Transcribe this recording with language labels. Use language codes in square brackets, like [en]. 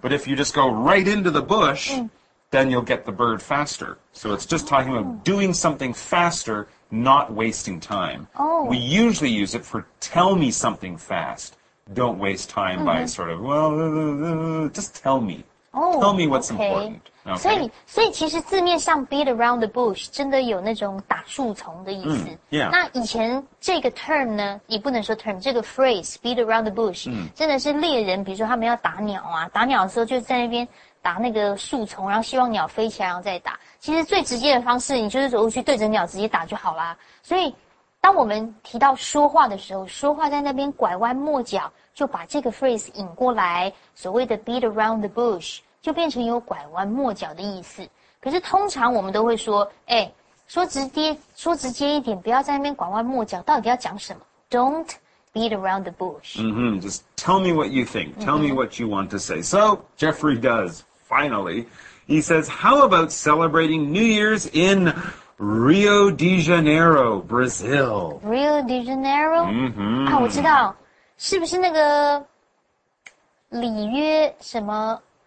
[en] But if you just go right into the bush, then you'll get the bird faster. So it's just talking about doing something faster, not wasting time. We usually use it for tell me something fast. Don't waste time by sort of, well, just tell me. Tell me what's important. [zh] 所以其实字面上 beat around the bush 真的有那种打树丛的意思。那以前这个 term呢 也不能说 term 这个 phrase beat around the bush 真的是猎人比如说他们要打鸟啊打鸟的时候就在那边打那个树丛然后希望鸟飞起来然后再打其实最直接的方式你就是走过去对着鸟直接打就好啦所以当我们提到说话的时候说话在那边拐弯抹角就把这个 phrase 引过来 所谓的 beat around the bush 就变成有拐弯抹角的意思。可是通常我们都会说,说直接一点,不要在那边拐弯抹角,到底要讲什么? [en] Don't beat around the bush. Mm-hmm. Just tell me what you think. Tell me what you want to say. So, Jeffrey does, finally. He says, how about celebrating New Year's in Rio de Janeiro, Brazil? Rio de Janeiro? Mm-hmm. [zh] 啊,我知道,是不是那个里约什么...